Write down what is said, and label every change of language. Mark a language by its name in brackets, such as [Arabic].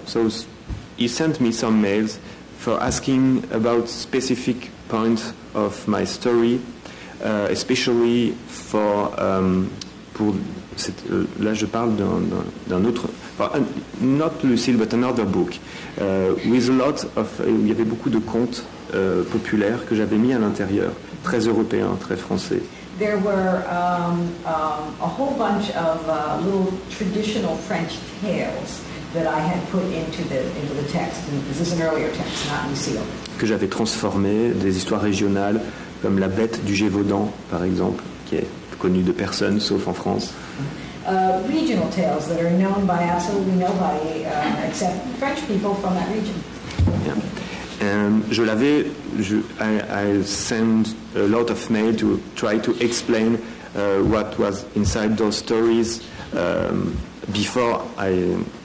[English] So he sent me some mails for asking about specific points of my story, especially for [French] pour cette, là je parle d'un autre, [English] not Lucille, but another book, with a lot of, [French] il y avait beaucoup de contes populaires que j'avais mis à l'intérieur, très européens, très français. [English] There were a whole bunch of little traditional French tales that I had put into the text. And this is an earlier text, not Lucille. [French] Que j'avais transformé des histoires régionales, comme la bête du Gévaudan, par exemple, qui est connue de personne sauf en France. [English] Regional tales that are known by absolutely nobody except French people from that region. [French] Yeah. Je l'avais. [English] I sent a lot of mail to try to explain what was inside those stories before I.